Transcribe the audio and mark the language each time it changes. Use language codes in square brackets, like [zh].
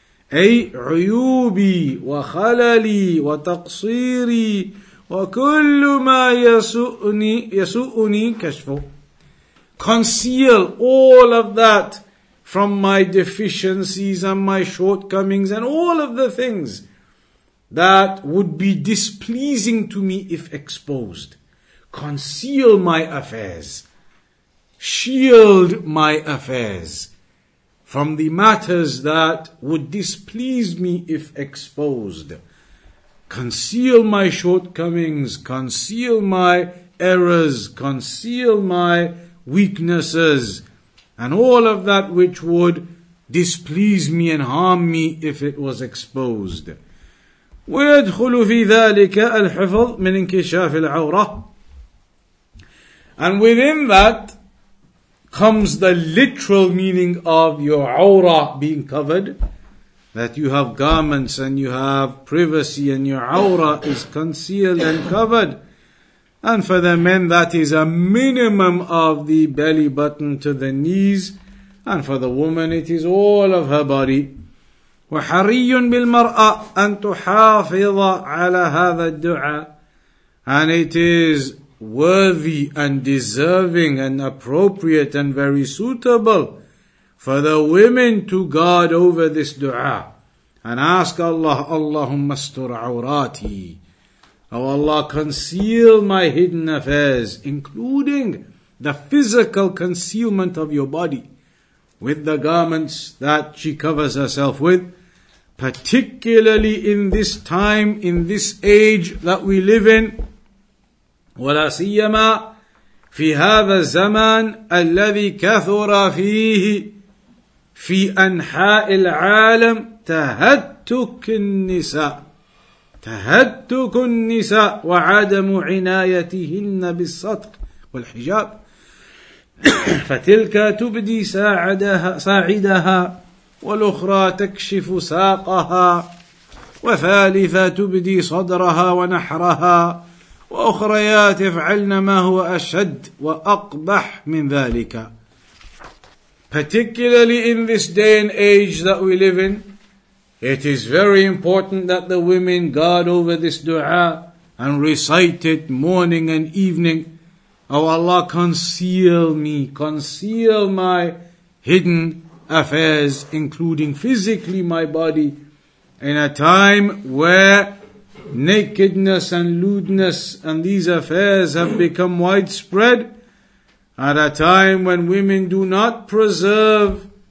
[ar] Ay, عيوبي وخللي وتقصيري وكل ما يسؤني كشفه. [en] Conceal all of that from my deficiencies and my shortcomings and all of the things that would be displeasing to me if exposed. Conceal my affairs. Shield my affairs from the matters that would displease me if exposed. Conceal my shortcomings. Conceal my errors. Conceal my weaknesses. And all of that which would displease me and harm me if it was exposed. [ar] ويدخل في ذلك الحفظ من انكشاف العورة. [en] And within that comes the literal meaning of your awra being covered, that you have garments and you have privacy and your awra is concealed and covered. And for the men, that is a minimum of the belly button to the knees. And for the woman, it is all of her body. [ar] وحري بالمرأة أن تحافظ على هذا الدعاء. [en] And it is worthy and deserving and appropriate and very suitable for the women to guard over this dua and ask Allah, [ar] Allahumma astur awrati, [en] O Allah, conceal my hidden affairs, including the physical concealment of your body with the garments that she covers herself with, particularly in this time, in this age that we live in. [ar] ولا سيما في هذا الزمان الذي كثر فيه في أنحاء العالم تهتك النساء تهتك النساء وعدم عنايتهن بالصدق والحجاب فتلك تبدي ساعدها والأخرى تكشف ساقها وثالثة تبدي صدرها ونحرها وأخريات يفعلن ما هو أشد وأقبح من ذلك. [en] Particularly in this day and age that we live in, it is very important that the women guard over this dua and recite it morning and evening. O Allah, conceal me, conceal my hidden affairs, including physically my body, in a time where nakedness and lewdness and these affairs have become widespread, at a time when women do not preserve